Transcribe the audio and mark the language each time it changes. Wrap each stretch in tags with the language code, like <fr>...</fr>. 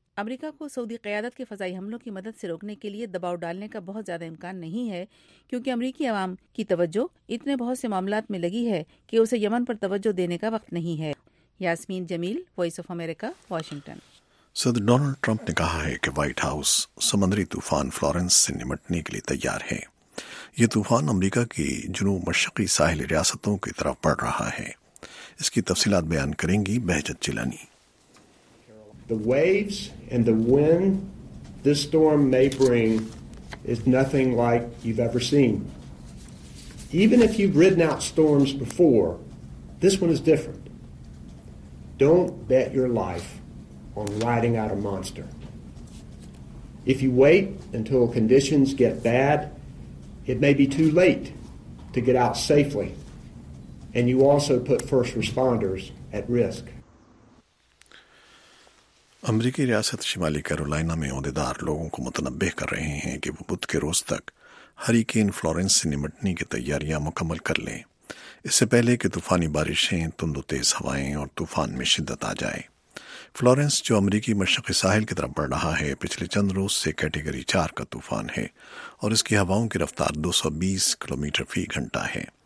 <ur>امریکہ کو سعودی قیادت کے فضائی حملوں کی مدد سے روکنے کے لیے دباؤ ڈالنے کا بہت زیادہ امکان نہیں ہے، کیونکہ امریکی عوام کی توجہ اتنے بہت سے معاملات میں لگی ہے کہ اسے یمن پر توجہ دینے کا وقت نہیں ہے۔ یاسمین جمیل، وائس آف امریکہ، واشنگٹن۔ صدر ڈونلڈ ٹرمپ نے کہا ہے کہ وائٹ ہاؤس سمندری طوفان فلورنس سے نمٹنے کے لیے تیار ہے۔ یہ طوفان امریکہ کی جنوب مشرقی ساحلی ریاستوں کی طرف بڑھ رہا ہے۔ اس کی تفصیلات بیان کریں گی بہجت Jilani.</ur> <en>The waves and the wind this storm may bring is nothing like you've ever seen. Even if you've ridden out storms before, this one is different. Don't bet your life on riding out a monster. If you wait until conditions get bad, it may be too late to get out safely, and you also put first responders at risk.</en> <ur>امریکی ریاست شمالی Carolina میں عہدیدار لوگوں کو متنبع کر رہے ہیں کہ وہ بدھ کے روز تک ہریکین فلورنس سے نمٹنے کی تیاریاں مکمل کر لیں، اس سے پہلے کہ طوفانی بارشیں، تند و تیز ہوائیں اور طوفان میں شدت آ جائے۔ فلورنس، جو امریکی مشرقی ساحل کی طرف بڑھ رہا ہے، پچھلے چند روز سے کیٹیگری 4 کا طوفان ہے اور اس کی ہواؤں کی رفتار 220 کلومیٹر فی گھنٹہ ہے۔</ur>